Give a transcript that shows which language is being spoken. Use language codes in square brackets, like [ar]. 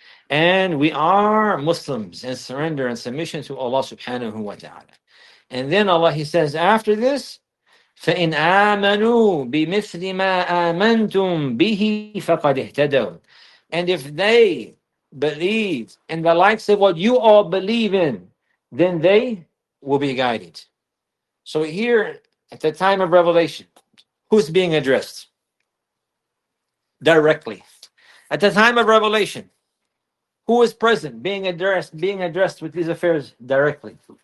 [en] And we are Muslims and surrender and submission to Allah subhanahu wa ta'ala. And then Allah, He says after this, [ar] فَإِنْ آمَنُوا بِمِثْلِ مَا آمَنْتُمْ بِهِ فَقَدْ اهْتَدَوْا. [en] And if they believe in the likes of what you all believe in, then they will be guided. So here, at the time of revelation, who's being addressed? Directly. At the time of revelation, who is present being addressed with these affairs directly?